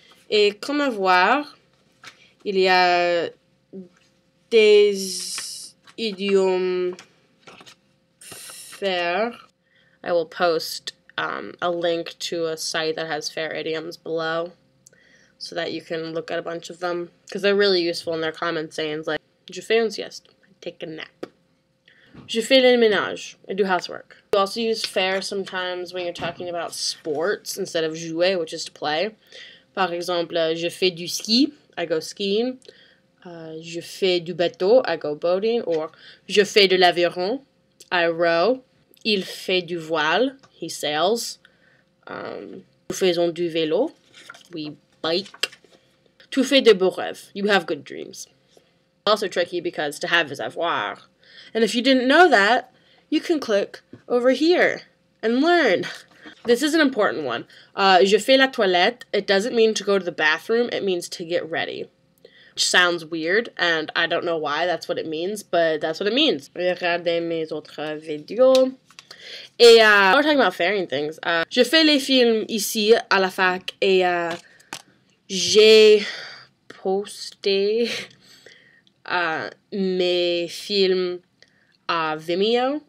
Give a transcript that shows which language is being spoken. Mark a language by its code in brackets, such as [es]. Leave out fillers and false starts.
[fr] Et comme avoir, il y a des idiomes faire. [en] I will post a link to a site that has faire idioms below so that you can look at a bunch of them. Because they're really useful in their common sayings like, [fr] je fais une sieste, [en] I take a nap. [fr] Je fais le ménage, [en] I do housework. You also use faire sometimes when you're talking about sports instead of jouer, which is to play. [fr] Par exemple, je fais du ski, [en] I go skiing. [fr] Je fais du bateau, [en] I go boating. [fr] Or, je fais de l'aviron, [en] I row. [fr] Il fait du voile, [en] he sails. [fr] Nous faisons du vélo, [en] we bike. [fr] Tu fais de beaux rêves, [en] you have good dreams. Also tricky because to have is avoir. And if you didn't know that, you can click over here and learn. This is an important one. [fr] Je fais la toilette. [en] It doesn't mean to go to the bathroom. It means to get ready. Which sounds weird, and I don't know why that's what it means, but that's what it means. [fr] Regardez mes autres vidéos. [en] Et we're talking about faring things. [fr] Je fais les films ici à la fac et j'ai posté mes films à Vimeo.